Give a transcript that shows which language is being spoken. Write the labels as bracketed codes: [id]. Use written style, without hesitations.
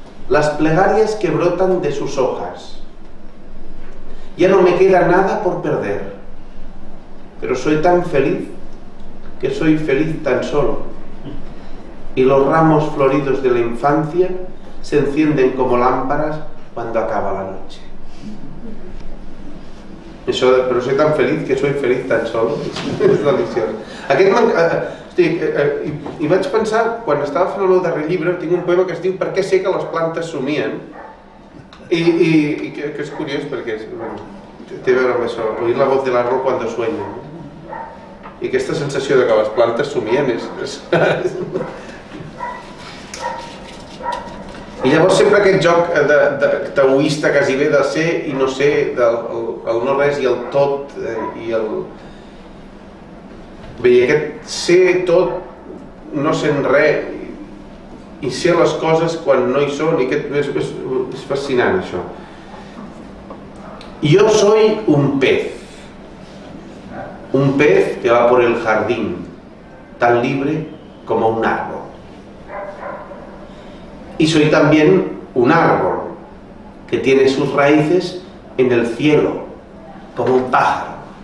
[es] Las plegarias que brotan de sus hojas. Ya no me queda nada por perder. Pero soy tan feliz que soy feliz tan solo. Y los ramos floridos de la infancia se encienden como lámparas cuando acaba la noche. [ca] Això de, però [es] soy tan feliz que soy feliz tan solo, [ca] és deliciós. Aquest hi vaig pensar, quan estava fent el meu darrer llibre, tinc un poema que es diu Per què sé que les plantes somien? I que és curiós perquè és, té a veure amb això, [es] oir la voz de [ca] l'arbre quan [es] te sueña. [ca] I aquesta sensació de que les plantes somien és... I llavors sempre aquest joc de taoista quasi bé de ser i no ser, del el no res i el tot i el... Bé, i aquest ser tot, no sent res i ser les coses quan no hi són, i aquest és fascinant això. [es] Yo soy un pez que va por el jardín, tan libre como un árbol. Y soy también un árbol que tiene sus raíces en el cielo, como un pájaro.